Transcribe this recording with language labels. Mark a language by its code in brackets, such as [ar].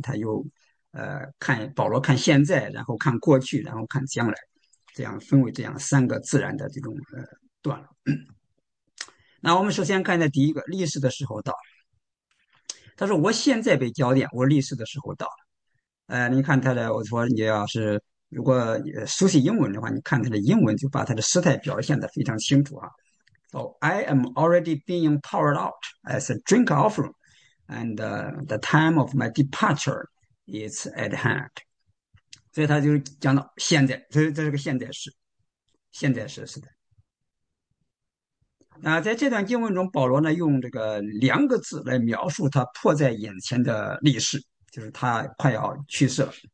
[zh] 他又，看保罗看现在，然后看过去，然后看将来，这样分为这样3个自然的这种段落 那我们首先看的第一个，立誓的时候到了。他说："我现在被交点，我立誓的时候到了。" 你看他的，我说你要是如果熟悉英文的话，你看他的英文就把他的时态表现得非常清楚啊。 [en] So I am already being poured out as a drink offering, and the time of my departure is at hand。 [zh] 所以他就讲到现在，这是个现在时，现在时是的。那在这段经文中，保罗呢用这个2个字来描述他迫在眼前的历史，就是他快要去世了。